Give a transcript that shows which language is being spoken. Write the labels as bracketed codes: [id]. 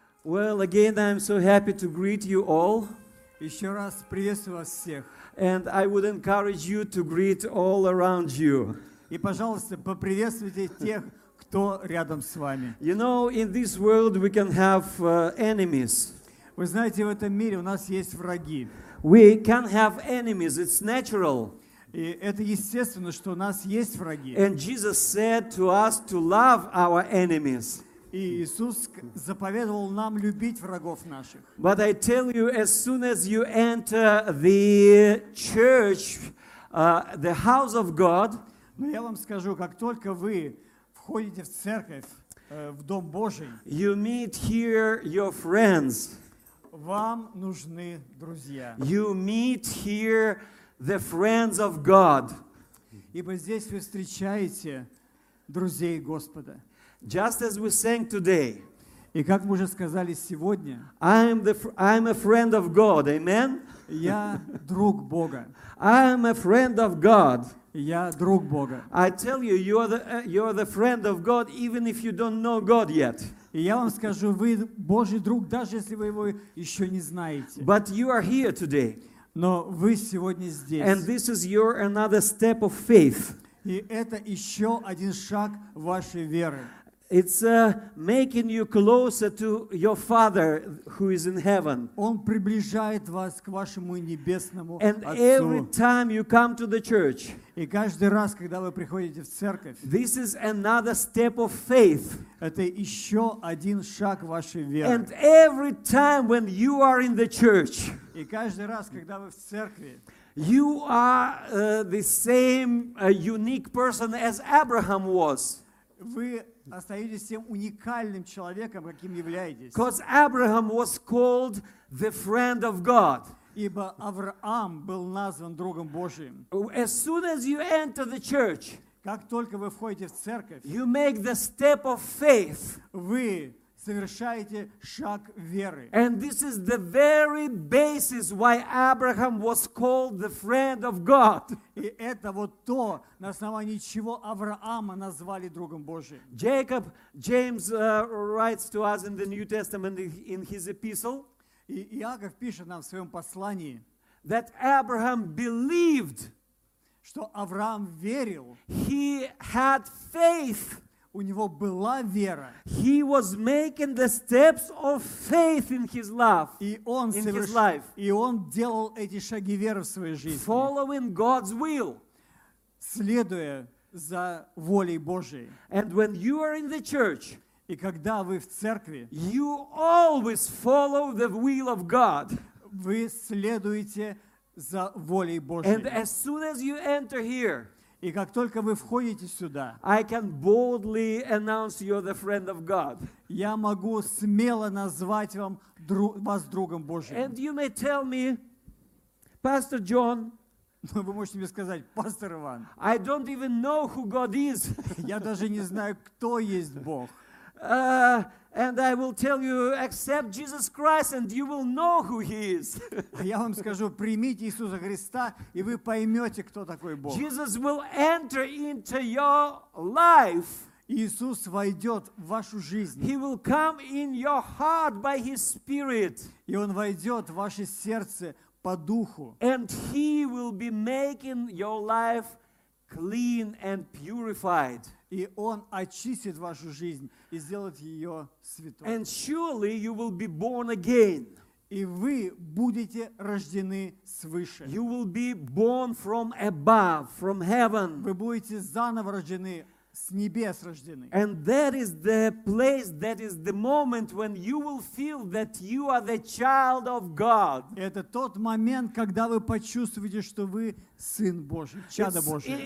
[en] Well, again, I'm so happy to greet you all. [ru] Еще раз приветствую вас всех. [en] And I would encourage you to greet all around you. [ru] И, пожалуйста, поприветствуйте тех, кто рядом с вами. [en] You know, in this world we can have enemies. [ru] Вы знаете, в этом мире у нас есть враги. [en] We can have enemies. It's natural. [ru] И это естественно, что у нас есть враги. [en] And Jesus said to us to love our enemies. [ru] И Иисус заповедовал нам любить врагов наших. [en] But I tell you, as soon as you enter the church, the house of God, [ru] но я вам скажу, как только вы входите в церковь, в дом Божий, [en] you meet here your friends. [ru] Вам нужны друзья. [en] You meet here the friends of God. [ru] Ибо здесь вы встречаете друзей Господа. [en] Just as we sang today. [ru] И как мы уже сказали сегодня. [en] I'm a friend of God. Amen. [ru] Я друг Бога. [en] I'm a friend of God. [ru] Я друг Бога. [en] I tell you, you're the friend of God, even if you don't know God yet. [ru] И я вам скажу, вы Божий друг, даже если вы его еще не знаете. [en] But you are here today. [ru] Но вы сегодня здесь. [en] And this is your another step of faith. [ru] И это еще один шаг вашей веры. [en] It's making you closer to your Father who is in heaven. [ru] Он приближает вас к вашему небесному Отцу. [en] And every time you come to the church, [ru] и каждый раз, когда вы приходите в церковь, [en] this is another step of faith. [ru] Это еще один шаг вашей веры. [en] And every time when you are in the church, [ru] и каждый раз, когда вы в церкви, [en] you are the same unique person as Abraham was. [ru] Вы остаетесь тем уникальным человеком, каким являетесь. [en] Because Abraham was called the friend of God. [ru] Ибо Авраам был назван другом Божиим. [en] As soon as you enter the church, [ru] как только вы входите в церковь, [en] you make the step of faith. [ru] Вы совершаете шаг веры. [en] And this is the very basis why Abraham was called the friend of God. [ru] И это вот то, на основании чего Авраама назвали другом Божиим. [en] Jacob, James writes to us in the New Testament in his epistle. [ru] И Иаков пишет нам в своем послании, [en] that Abraham believed, [ru] что Авраам верил, [en] he had faith, [ru] у него была вера. [en] He was making the steps of faith in his life. [ru] И он и он делал эти шаги веры в своей жизни. [en] Following God's will. [ru] Следуя за волей Божией. [en] And when you are in the church, [ru] и когда вы в церкви, [en] you always follow the will of God. [ru] Вы следуете за волей Божией. [en] And as soon as you enter here, [ru] и как только вы входите сюда, [en] I can boldly announce you're the friend of God. [ru] Я могу смело назвать вам вас другом Божьим. [en] And you may tell me, Pastor John. [ru] Вы можете мне сказать, пастор Иван. [en] I don't even know who God is. [ru] Я даже не знаю, кто есть Бог. [en] And I will tell you, accept Jesus Christ, and you will know who He is. [ru] Я вам скажу, примите Иисуса Христа, и вы поймете, кто такой Бог. [en] Jesus will enter into your life. [ru] Иисус войдет в вашу жизнь. [en] He will come in your heart by His Spirit. [ru] И Он войдет в ваше сердце по духу. [en] And He will be making your life clean and purified. [ru] И Он очистит вашу жизнь и сделает ее святой. [en] And surely you will be born again. [ru] И вы будете рождены свыше. [en] You will be born from above, from heaven. [ru] Вы будете заново рождены, с небес рождены. [en] And that is the place, that is the moment when you will feel that you are the child of God. [ru] Это тот момент, когда вы почувствуете, что вы сын Божий, чадо Божие.